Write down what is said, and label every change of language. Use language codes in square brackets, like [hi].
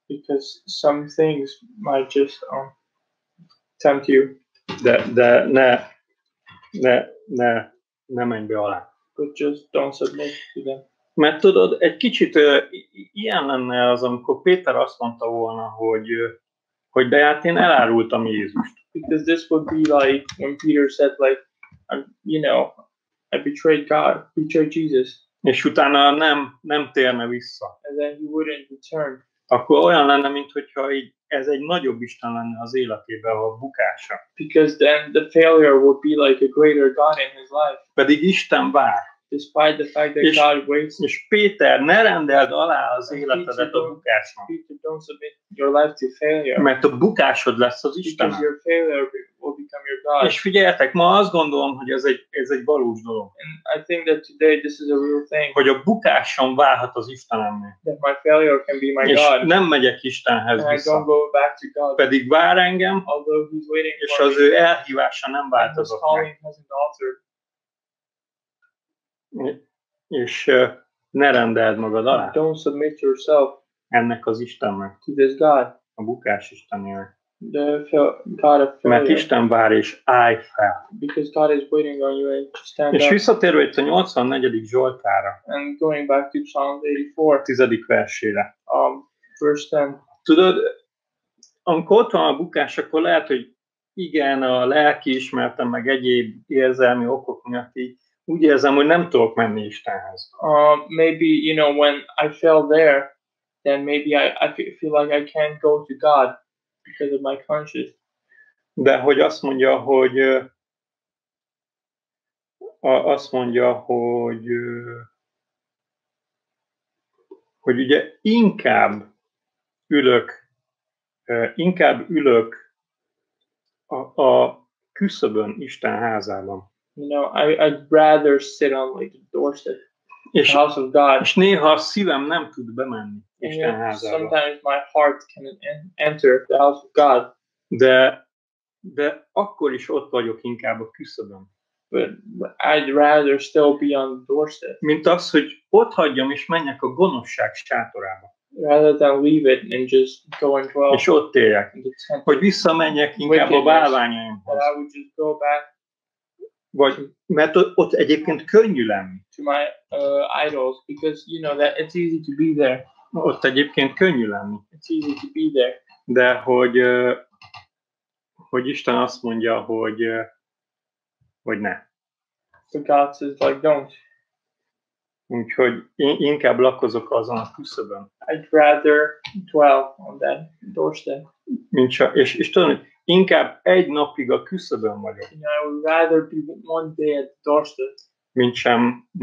[en] Because some things might just tempt you. [hu] De ne menj be alá. [en] But just don't submit to them. [hu] Mert tudod, egy kicsit ilyen lenne az, amikor Péter azt mondta volna, hogy de hát én elárultam Jézust. [en] Because this would be like when Peter said like, you know, I betrayed God, betrayed Jesus. [hu] És utána nem térne vissza. [en] And then he wouldn't return. [hu] Akkor olyan lenne, mintha ez egy nagyobb Isten lenne az életében, a bukása. [en] Because then the failure would be like a greater God in his life. [hu] Pedig Isten vár. [en] Despite the fact that God waits. [hu] És Péter, ne rendeld alá az életedet a bukásnak. [en] Peter, don't submit your life to failure. [hu] Mert a bukásod lesz az Isten. [en] Because your failure will become your God. [hu] És figyeljetek, ma azt gondolom, hogy ez egy valós dolog. [en] And I think that today this is a real thing. [hu] Hogy a bukásom válhat az Istenemnél. [en] That my failure can be my [hu] és [en] God. [hu] És nem megyek Istenhez [en] and [hu] vissza. [en] I don't go back to God. [hu] Pedig vár engem, [en] although he's waiting [hu] és [en] for [hu] az ő elhívása nem változott meg. [en] And his calling hasn't altered. [hu] És ne rendeld magad alá. [en] Don't submit yourself. [hu] Ennek az Istennek. [en] To this God. [hu] A bukás Istennek. [en] The God of failure. [hu] Mert Isten vár és állj fel. [en] Because God is waiting on you and stand up. [hu] És visszatérve itt a 84. Zsoltára. [en] And going back to Psalm 84. [hu] 10. versére. [en] Verse 10. [hu] Tudod, amikor ott van a bukás, akkor lehet, hogy igen, a lelki ismertem, meg egyéb érzelmi okok miatt így, úgy érzem, hogy nem tudok menni Istenhez. [en] Maybe, you know, when I fell there, then maybe I feel like I can't go to God because of my conscience. [hu] De hogy azt mondja, hogy ugye inkább ülök a küszöbön Isten házában. [en] You know, I'd rather sit on like the doorstep, [hu] és, [en] the house of God. [hu] És néha a szívem nem tud bemenni Isten házába. [en] Sometimes my heart can't enter the house of God. [hu] De akkor is ott vagyok inkább a küszöbön. [en] But I'd rather still be on the doorstep. [hu] Mint az, hogy ott hagyjam és menjek a gonoszság sátorába. [en] Rather than leave it and just go and dwell. [hu] És ott éljek. Hogy visszamenjek inkább a bálványaimhoz. [en] But I would just go back. [hu] Vagy, mert ott egyébként könnyű lenni. [en] To my idols, because you know that it's easy to be there. [hu] Ott egyébként könnyű lenni. [en] It's easy to be there. [hu] De hogy Isten azt mondja, hogy ne. [en] So God says, like, don't. [hu] Úgyhogy inkább lakozok azon a küszöbön. [en] I'd rather dwell on that doorstep. [hu] És tudom, hogy inkább egy napig a küszöbön vagyok. [en] You know, I would rather be one day at the doorstep.